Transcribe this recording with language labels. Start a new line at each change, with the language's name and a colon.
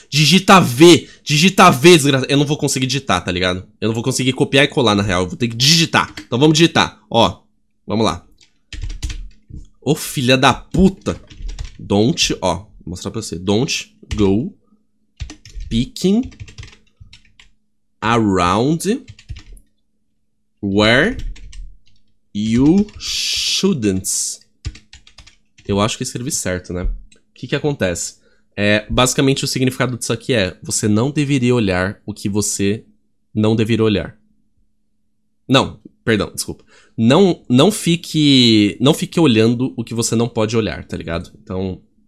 Portuguese: Digita V, desgraça. Eu não vou conseguir digitar, tá ligado? Eu não vou conseguir copiar e colar na real. Eu vou ter que digitar. Então vamos digitar. Ó, vamos lá. Ô, filha da puta.
English: Don't,
Portuguese: ó, vou mostrar pra você.
English: Don't go picking around where you shouldn't.
Portuguese: Eu acho que escrevi certo, né? O que que acontece? É, basicamente, o significado disso aqui é: você não deveria olhar o que você não deveria olhar. Não, perdão, desculpa. Não fique olhando o que você não pode olhar, tá ligado? Então...